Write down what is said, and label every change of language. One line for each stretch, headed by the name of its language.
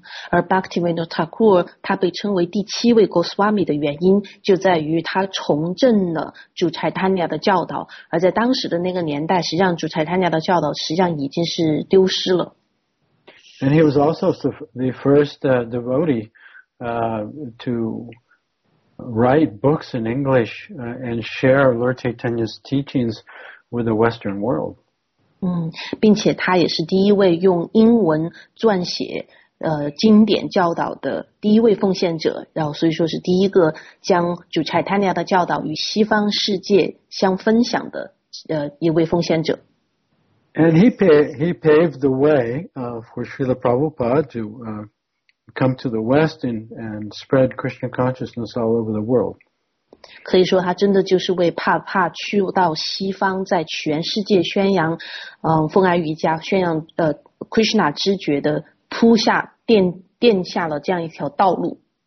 Chinese: 而 Bhaktivinoda Thakur 他被称为第七位 Goswami 的原因就在于他重振了主 Chaitanya 的教导，而在当时的那个年代，实际上主 Chaitanya 的教导实际上已经是丢失了。
English: And he was also the first devotee to write books in English and share Lord Chaitanya's teachings with the Western world.
Chinese: 并且他也是第一位用英文撰写经典教导的第一位奉献者，然后所以说是第一个将主 Chaitanya 的教导与西方世界相分享的一位奉献者。
English: And he paved the way for Srila Prabhupada to come to the West and spread Krishna consciousness all over the world.
Chinese: 可以说他真的就是为帕帕去到西方，在全世界宣扬奉爱瑜伽，宣扬Krishna 知觉的奠下了这样一条道路。